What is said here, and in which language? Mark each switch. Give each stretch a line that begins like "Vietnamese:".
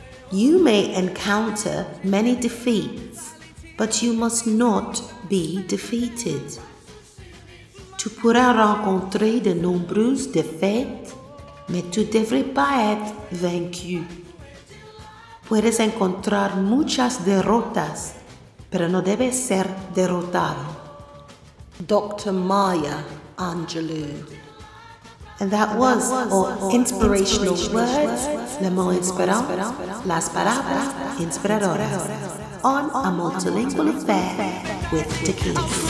English: You may encounter many defeats, but you must not be defeated.
French: Tu pourras rencontrer de nombreuses défaites, mais tu devrais pas être vaincu.
Spanish: Puedes encontrar muchas derrotas, pero no debes ser derrotado.
English: Dr. Maya Angelou. And that was our inspirational words,
French: Le Mot Inspirant,
Spanish: Las Palabras Inspiradoras,
English: on A Multilingual Affair with Tequila.